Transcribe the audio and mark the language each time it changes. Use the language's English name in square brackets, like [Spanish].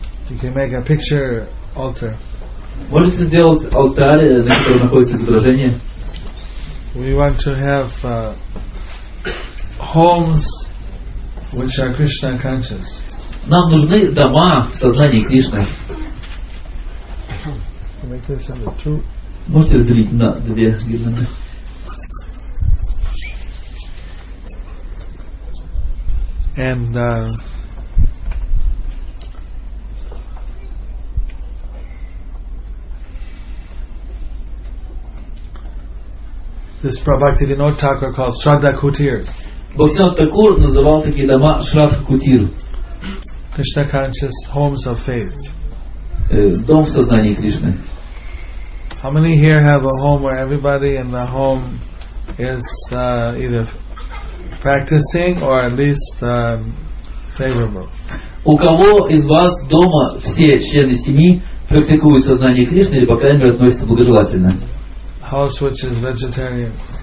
[English] You can make a picture altar. [Russian] Можете сделать алтарь, на котором находится изображение? [English] We want to have homes which are Krishna conscious. [Russian] Нам нужны дома в сознании Кришны. [English] Make this into two. [Russian] Можете разделить на две гирлянды? [English] And this Prabhaktivinoda Thakur called Shraddha Kutirs. [Russian] Bhaktivinoda Thakur называл такие дома Shraddha Kutir. [English] Krishna conscious homes of faith. [Russian] Дом в сознании Кришны. [English] How many here have a home where everybody in the home is either practicing or at least favorable? [Russian] У кого из вас дома все члены семьи практикуют сознание Кришны или по крайней мере относятся благожелательно? [English] House which is vegetarian.